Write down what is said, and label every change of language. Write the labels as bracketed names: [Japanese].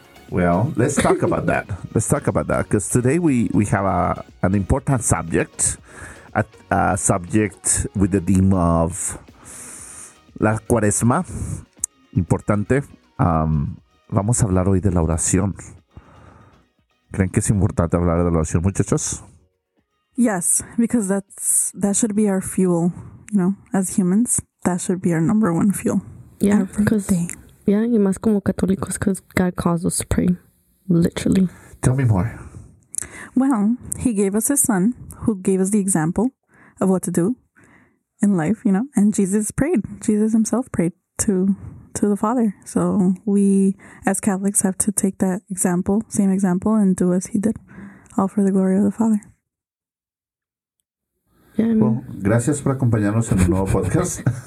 [English] Well, let's talk about that. Because today we have an important subject. A subject with the theme of la cuaresma. Importante. [Spanish] Vamos a hablar hoy de la oración. ¿Creen que es importante hablar de la oración, muchachos? [English] Yes, because that should be our fuel, you know, as humans. That should be our number one fuel. Yeah, because... Yeah, [Spanish] y más como católicos, [English] because God calls us to pray, literally. Tell me more. Well, he gave us his son, who gave us the example of what to do in life, you know, and Jesus prayed. Jesus himself prayed to the Father. So we, as Catholics, have to take that example, same example, and do as he did, all for the glory of the Father. Yeah, well, [Spanish] gracias por acompañarnos en un nuevo podcast.